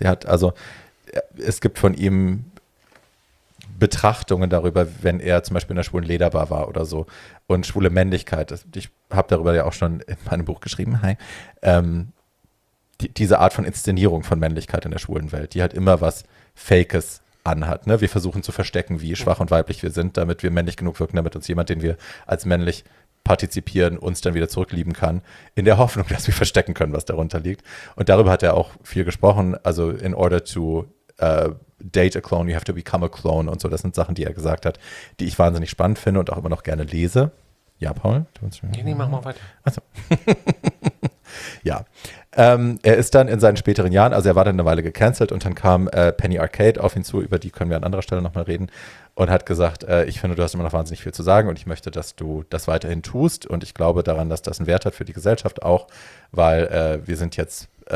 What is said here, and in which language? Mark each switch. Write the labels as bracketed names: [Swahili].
[German] Sie hat, also es gibt von ihm Betrachtungen darüber, wenn er zum Beispiel in der schwulen Lederbar war oder so und schwule Männlichkeit, ich habe darüber ja auch schon in meinem Buch geschrieben, hi, diese Art von Inszenierung von Männlichkeit in der schwulen Welt, die halt immer was Fakes anhat. Ne? Wir versuchen zu verstecken, wie schwach und weiblich wir sind, damit wir männlich genug wirken, damit uns jemand, den wir als männlich partizipieren, uns dann wieder zurücklieben kann, in der Hoffnung, dass wir verstecken können, was darunter liegt. Und darüber hat er auch viel gesprochen. Also [English] in order to date a clone, you have to become a clone [German] und so. Das sind Sachen, die er gesagt hat, die ich wahnsinnig spannend finde und auch immer noch gerne lese. Ja, Paul? Nee, mach mal weiter. Also. Ja. Er ist dann in seinen späteren Jahren, also er war dann eine Weile gecancelt und dann kam Penny Arcade auf ihn zu, über die können wir an anderer Stelle nochmal reden, und hat gesagt, ich finde, du hast immer noch wahnsinnig viel zu sagen und ich möchte, dass du das weiterhin tust und ich glaube daran, dass das einen Wert hat für die Gesellschaft auch, weil wir sind jetzt